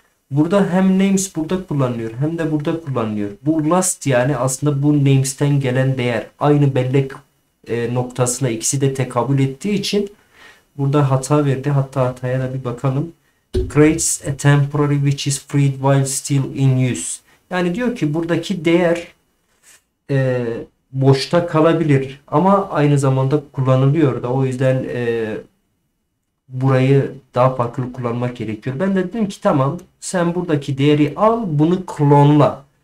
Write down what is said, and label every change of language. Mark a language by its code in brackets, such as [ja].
[tr] Burada hem names burada kullanılıyor hem de burada kullanılıyor. Bu last yani aslında bu names'ten gelen değer aynı bellek noktasına ikisi de tekabül ettiği için burada hata verdi. Hatta hataya da bir bakalım. [en] Creates a temporary which is freed while still in use. [tr] Yani diyor ki buradaki değer boşta kalabilir ama aynı zamanda kullanılıyor da o yüzden burayı daha farklı kullanmak gerekiyor. Ben de dedim ki tamam sen buradaki değeri al bunu klonla.